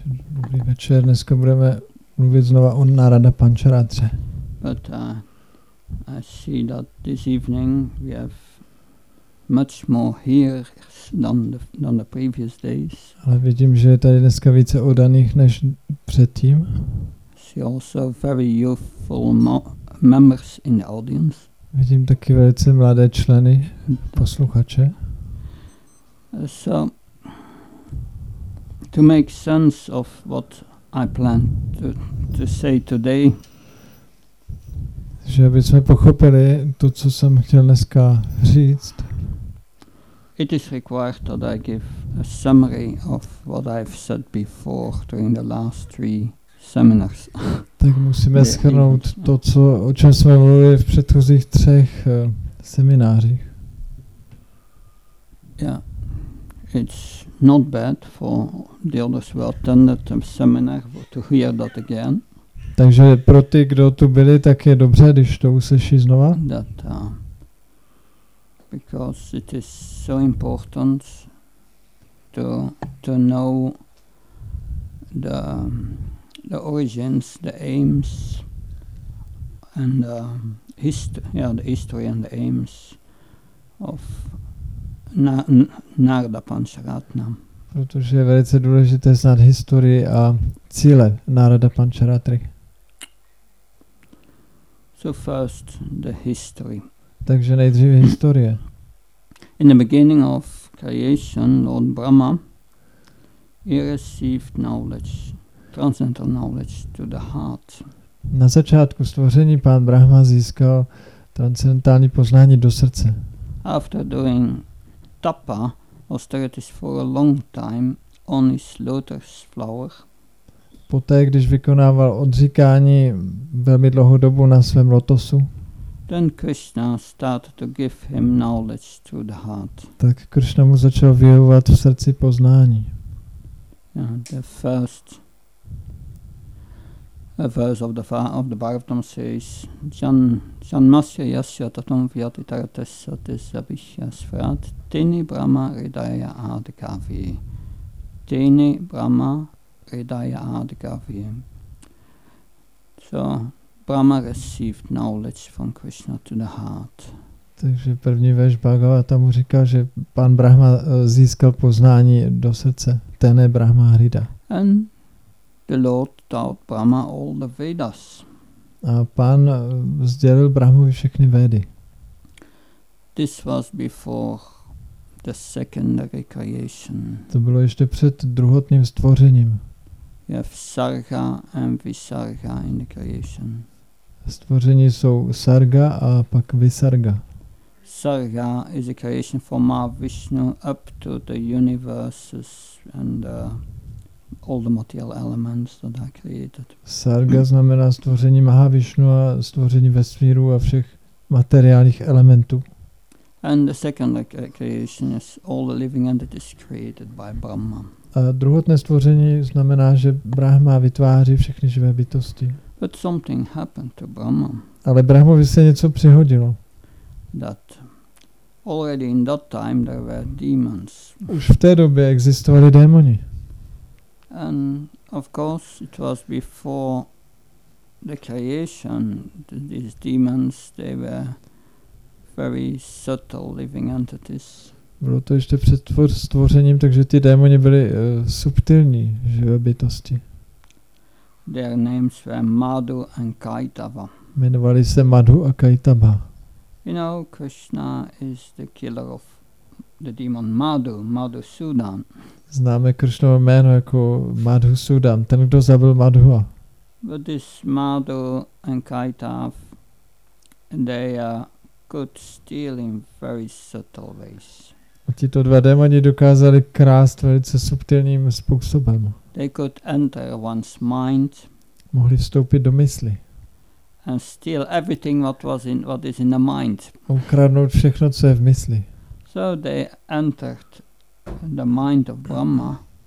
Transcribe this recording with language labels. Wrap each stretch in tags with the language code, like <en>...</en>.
<cs>Dobrý večer, dneska budeme mluvit znova o Národa Pancharatře.</cs> <en>But I see that this evening we have much more here than the previous days.</en> <cs>Ale vidím, že je tady dneska více odaných než předtím.</cs> <en>See also very youthful members in the audience.</en> <cs>Vidím taky velice mladé členy, posluchače.</cs> <en>So, to make sense of what I plan to say today.</en> <cs>Že abychom pochopili to, co jsem chtěl dneska říct.</cs> <en>It is required that I give a summary of what I've said before during the last three seminars.</en> <cs>Tak musíme shrnout to, co, o čem jsme mluvili v předchozích třech seminářích.</cs> <en>Yeah, it's not bad for the others who attended the seminar to hear that again.</en> <cs>Takže pro ty, kdo tu byli, tak je dobře, když to uslyší znova.</cs> <en>That, because it is so important to know the origins, the aims, and the history and the aims of Národa Pancharatna.</en> <cs>Protože je velice důležité znát historii a cíle Národa Pancharatry.</cs> <en>So first the history.</en> <cs>Takže nejdřív historie.</cs> <en>In the beginning of creation, Lord Brahma, he received knowledge. Transcendental knowledge to the heart.</en> <cs>Na začátku stvoření pán Brahma získal transcendentální poznání do srdce.</cs> <en>After doing tapa, austerities for a long time on his lotus flower.</en> <cs>Poté, když vykonával odříkání velmi dlouhou dobu na svém lotosu.</cs> <en>Then Krishna started to give him knowledge to the heart.</en> <cs>Tak Krishna mu začal vyjevovat v srdci poznání.</cs> <en>Yeah, the first a verse of the Bhagavatam says</en> <sa>Janmasya yasya tatam vyatitaratesa tisabhishya svarat tini brahma ridaya adhikavi</sa> <en>tini brahma ridaya adhikavi. So Brahma received knowledge from Krishna to the heart.</en> <cs>Takže první verš Bhagavata mu říká, že pan Brahma získal poznání do srdce.</cs> <sa>Tene Brahma Hrida.</sa> <en>And the Lord taught Brahma all the Vedas.</en> <cs>A pán sdělil Brahmovi všechny Védy.</cs> <en>This was before the secondary creation.</en> <cs>To bylo ještě před druhotným stvořením.</cs> <en>Je Sarga and Visarga in the creation.</en> <cs>Stvoření jsou Sarga a pak Visarga.</cs> <en>Sarga is a creation from Mahavishnu up to the universes and all the material elements that are created.</en> <cs>Sarga znamená stvoření Mahavishnu a stvoření vesmíru a všech materiálních elementů.</cs> <en>And the second creation is all the living entities created by Brahma.</en> <cs>A druhotné stvoření znamená, že Brahma vytváří všechny živé bytosti.</cs> <en>But something happened to Brahma.</en> <cs>Ale Brahmovi se něco přihodilo.</cs> <en>That already in that time there were demons.</en> <cs>Už v té době existovali démoni.</cs> <en>And of course it was before the creation that these demons, they were very subtle living entities.</en> <cs>Bylo to ještě před stvořením, takže ty démoni byly subtilní živé bytosti.</cs> <en>Their names were Madhu and Kaitava.</en> <cs>Jmenovali se Madhu a Kaitava.</cs> <en>You know, Krishna is the killer of the demon Madhu, Madhusudan.</en> <cs>Známe Krishnovo jméno jako Madhusudan, ten, kdo zabil Madhua.</cs> <en>But this Madhu and Kaitav, they could steal in very subtle ways.</en> <cs>Tito dva démoni dokázali krást velice subtilním způsobem.</cs> <en>They could enter one's mind.</en> <cs>Mohli vstoupit do mysli.</cs> <en>And steal everything what is in the mind.</en> <cs>Ukradnout všechno, co je v mysli.</cs> <en>So they entered the mind of Brahma.</en>